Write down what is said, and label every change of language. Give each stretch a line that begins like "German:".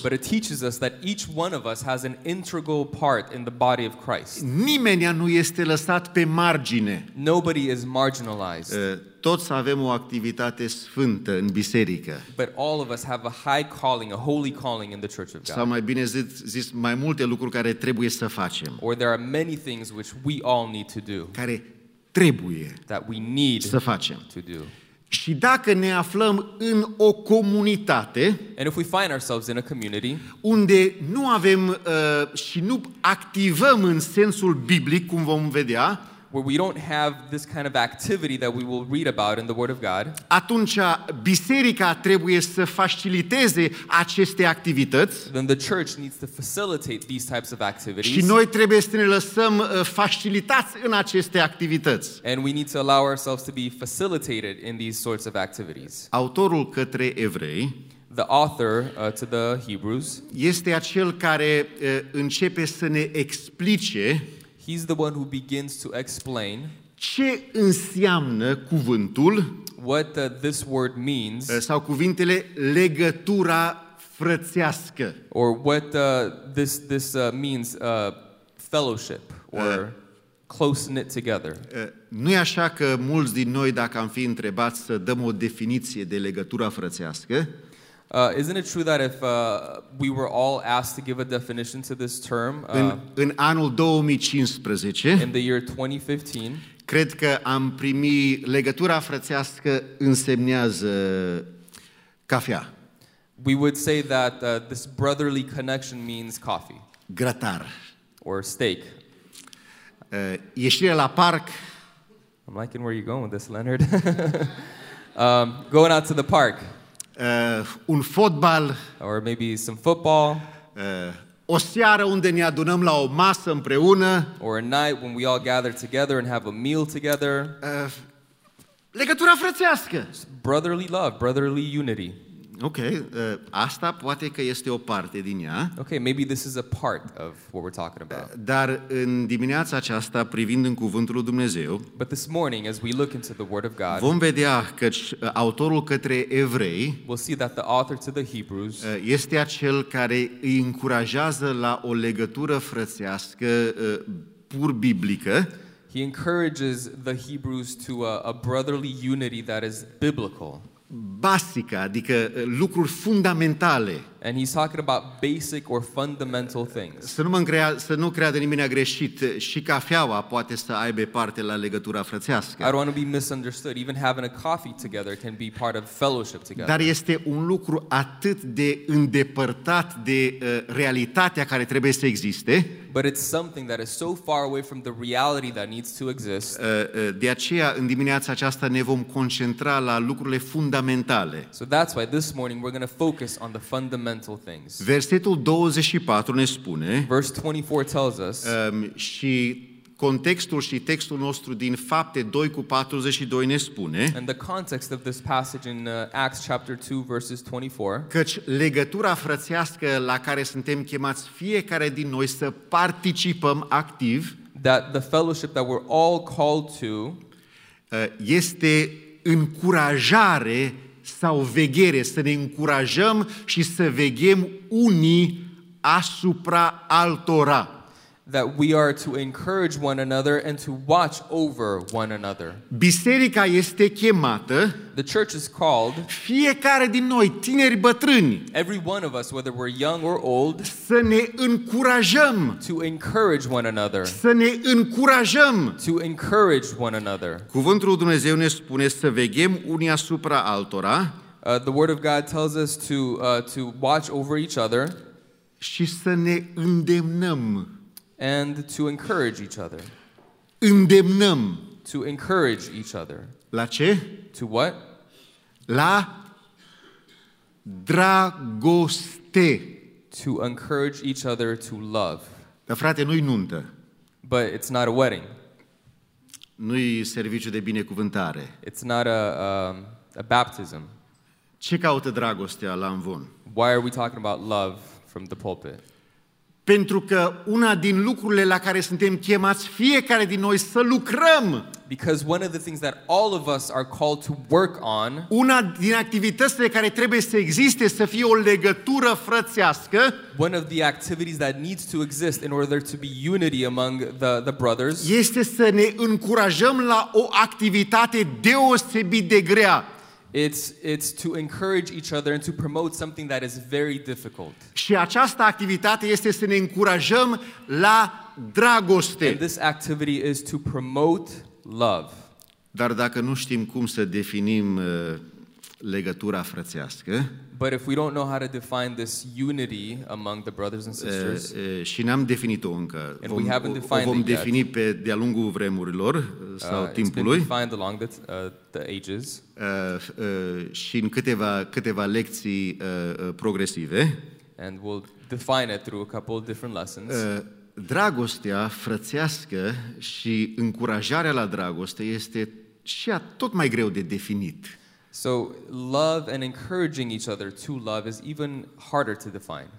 English: But it teaches us that each one of us has an integral part in the body of Christ.
Romanian: Nimeni nu este lăsat pe margine.
English: Nobody is marginalized.
Romanian: Toți avem o activitate sfântă în biserică.
English: But all of us have a high calling, a holy calling in the Church of God.
Romanian: Sau mai bine zis, mai multe lucruri care trebuie să facem.
English: Or there are many things which we all need to do.
Romanian: Care trebuie
English: that we need
Romanian: să facem.
English: To do.
Romanian: Și dacă ne aflăm în o comunitate,
English: and if we find ourselves in a community,
Romanian: unde nu avem și nu activăm în sensul biblic, cum vom vedea,
English: where we don't have this kind of activity that we will read about in the Word of God,
Romanian: atunci biserica trebuie să faciliteze aceste activități.
English: Then the church needs to facilitate these types of activities.
Romanian: Și noi trebuie să ne lăsăm facilitați în aceste activități.
English: And we need to allow ourselves to be facilitated in these sorts of activities.
Romanian: Autorul către evrei,
English: the author to the Hebrews,
Romanian: este acel care începe să ne explice.
English: He's the one who begins to explain
Romanian: ce înseamnă cuvântul,
English: what this word means,
Romanian: sau cuvintele legătura frățească,
English: or what this means, fellowship or close-knit together.
Romanian: Nu-i așa că mulți din noi, dacă am fi întrebați să dăm o definiție de legătura frățească,
English: Isn't it true that if we were all asked to give a definition to this term,
Romanian: în anul 2015,
English: in the year 2015,
Romanian: cred că am primit legătura frățească însemnează cafea.
English: We would say that this brotherly connection means coffee.
Romanian: Grătar.
English: Or steak.
Romanian: Ieșirea la parc.
English: I'm liking where you're going with this, Leonard. going out to the park.
Romanian: Un fotbal,
English: or maybe some football,
Romanian: O seară unde ne adunăm la o masă împreună.
English: Or a night when we all gather together and have a meal together.
Romanian: Legătura frățească.
English: Brotherly love, brotherly unity.
Romanian: Okay, asta poate că este o parte din ea.
English: Okay, maybe this is a part of what we're talking about.
Romanian: Dar în dimineața aceasta, privind în cuvântul lui Dumnezeu,
English: but this morning, as we look into the Word of God,
Romanian: vom vedea că autorul către evrei,
English: we'll see that the author to the Hebrews,
Romanian: este acel care îi încurajează la o legătură frățească pur biblică.
English: He encourages the Hebrews to a brotherly unity that is biblical.
Romanian: Basica, adică lucruri fundamentale.
English: And he's talking about basic or fundamental things.
Romanian: Să nu creadă nimeni greșit, și cafeaua poate să aibă parte la legătura frățească.
English: I don't want to be misunderstood. Even having a coffee together can be part of fellowship together.
Romanian: Dar este un lucru atât de îndepărtat de realitatea care trebuie să existe.
English: But it's something that is so far away from the reality that needs to exist.
Romanian: De aceea în dimineața aceasta ne vom concentra la lucrurile fundamentale.
English: So that's why this morning we're going to focus on the fundamental things.
Romanian: Versetul 24 ne spune.
English: Verse 24 tells us.
Romanian: Și contextul și textul nostru din Fapte 2 cu 42 ne spune.
English: And the context of this passage in Acts chapter 2 verses 24.
Romanian: Căci legătura frățească la care suntem chemați fiecare din noi să participăm activ,
English: that the fellowship that we're all called to,
Romanian: este încurajare sau veghere, să ne încurajăm și să veghem unii asupra altora.
English: That we are to encourage one another and to watch over one another.
Romanian: Biserica este chemată.
English: The church is called.
Romanian: Fiecare din noi, tineri, bătrâni.
English: Every one of us, whether we're young or old.
Romanian: Să ne încurajăm.
English: To encourage one another.
Romanian: Să ne încurajăm.
English: To encourage one another.
Romanian: Cuvântul Dumnezeu ne spune să veghem unii asupra altora.
English: The word of God tells us to watch over each other.
Romanian: Și să ne îndemnăm.
English: And to encourage each other.
Romanian: Îndemnăm.
English: To encourage each other.
Romanian: La ce?
English: To what?
Romanian: La dragoste.
English: To encourage each other to love.
Romanian: Dar frate, nu-i nuntă.
English: But it's not a wedding.
Romanian: Nu-i serviciu de binecuvântare.
English: It's not a baptism.
Romanian: Ce caută dragostea la amvon?
English: Why are we talking about love from the pulpit?
Romanian: Pentru că una din lucrurile la care suntem chemați fiecare din noi să lucrăm.
English: Because one of the things that all of us are called to work on.
Romanian: Una din activitățile care trebuie să existe să fie o legătură frățească.
English: One of the activities that needs to exist in order to be unity among the brothers.
Romanian: Este să ne încurajăm la o activitate deosebit de grea.
English: It's to encourage each other and to promote something that is very difficult.
Romanian: Și această activitate este să ne încurajăm la dragoste.
English: And this activity is to promote love.
Romanian: Dar dacă nu știm cum să definim legătura frățească,
English: but if we don't know how to define this unity among the brothers and sisters,
Romanian: și n-am definit-o încă,
English: and we haven't defined it yet,
Romanian: vom defini
English: it
Romanian: pe de-a lungul vremurilor sau timpului,
English: it's been defined along the ages,
Romanian: și în câteva lecții progresive,
English: and we'll define it through a couple of different lessons.
Romanian: Dragostea frățească și încurajarea la dragoste este și tot mai greu de definit.
English: So love and encouraging each other to love is even harder to define.